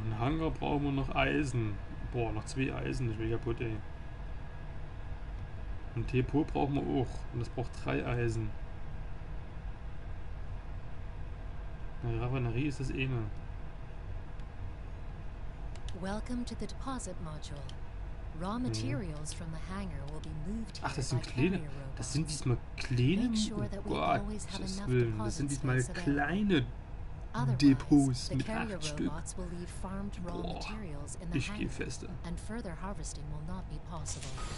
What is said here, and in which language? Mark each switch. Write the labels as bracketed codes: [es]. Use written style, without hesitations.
[de] Ein Hangar brauchen wir noch Eisen. Boah, noch zwei Eisen, ich will kaputt, ey. Ein Depot brauchen wir auch. Und das braucht drei Eisen. Eine Raffinerie ist das eine. [en] Welcome to the deposit module. Raw materials from the hangar will be moved here. [de] Ach, das sind kleine. Das sind diesmal kleine. Gottes Willen, das sind diesmal kleine Depots mit 8 Stück. Boah, ich gehe feste. [en] And further harvesting will not be possible.